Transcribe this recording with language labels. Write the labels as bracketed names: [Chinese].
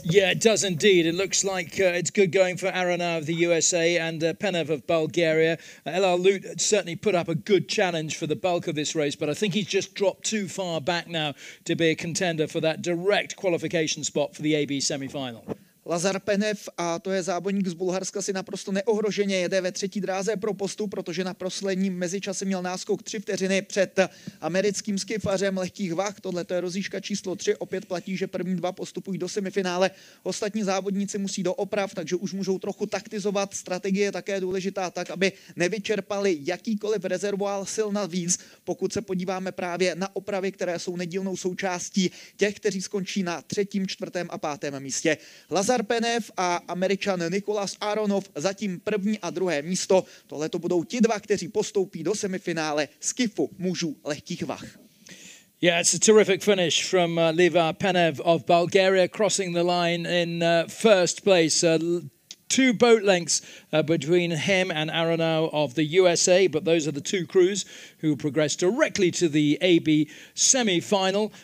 [English] Yeah, it does indeed. It looks like it's good going for Arrow-Now of the USA and Penev of Bulgaria. Elar Lut certainly put up a good challenge for the bulk of this race, but I think he's just dropped too far back now to be a contender for that direct qualification spot for the AB semifinal. [Czech] Lazar Penev, a to je závodník z Bulharska, si naprosto neohroženě jede ve třetí dráze pro postup, protože na posledním mezičase měl náskok 3 vteřiny před americkým skifařem lehkých vah. Tohle to je rozjížka číslo 3. Opět platí, že první dva postupují do semifinále. Ostatní závodníci musí do oprav, takže už můžou trochu taktizovat. Strategie je také důležitá tak, aby nevyčerpali jakýkoliv rezervoál sil navíc. Pokud se podíváme právě na opravy, které jsou nedílnou součástí těch, kteří skončí na třetím, čtvrtém a pátém místě. Lazar Penev a Američan Nicholas Arrow-Now zatím první a druhé místo. Tohle to budou ti dva, kteří postoupí do semifinále skifu mužů lehkých vah. [English] Yeah, it's a terrific finish from Lazar Penev of Bulgaria crossing the line in first place. Two boat lengths between him and Arrow-Now of the USA, but those are the two crews who progress directly to the AB semi-final.